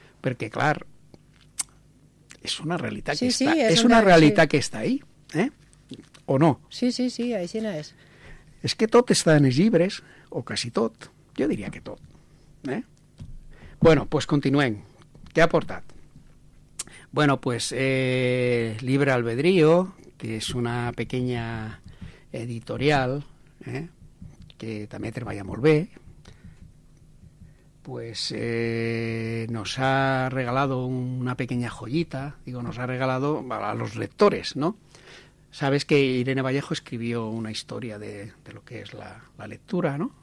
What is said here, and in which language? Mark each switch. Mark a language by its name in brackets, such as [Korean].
[Catalan] Perquè, clar, és una realitat que està... És una realitat que està ahí, O no? Sí, així no és. És que tot està en els llibres, o quasi tot. Jo diria que tot, [Spanish] Bueno, pues [Catalan] continuem. Què ha portat? [Spanish] Bueno, pues Libre Albedrío... [Catalan] que és una [Spanish] pequeña editorial, [Catalan] que també treballa molt bé, [Spanish] pues nos ha regalado una pequeña joyita, digo, nos ha regalado a los lectores, ¿no? Sabes que Irene Vallejo escribió una historia de lo que es la lectura, ¿no?